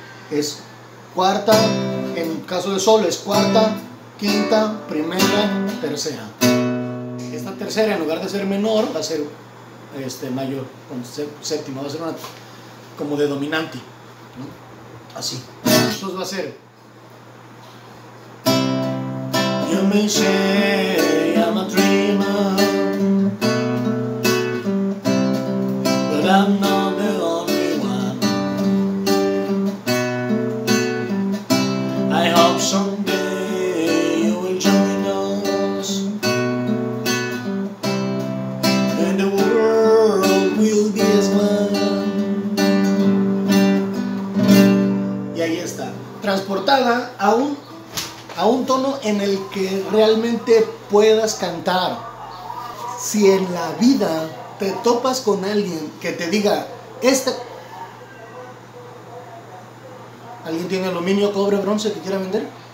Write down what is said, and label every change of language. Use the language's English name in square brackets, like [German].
[Spanish] Es cuarta, en caso de sol, es cuarta, quinta, primera, tercera. Esta tercera, en lugar de ser menor, va a ser mayor, con séptima, va a ser una como de dominante, ¿no? Así. Esto va a ser. [English] You may say I'm a dreamer, but I'm not the only one. I hope someday you will join us, and the world will be as one. [Spanish] Y ahí está, transportada a un tono en el que realmente puedas cantar. Si en la vida te topas con alguien que te diga, ¿alguien tiene aluminio, cobre, bronce que quiera vender?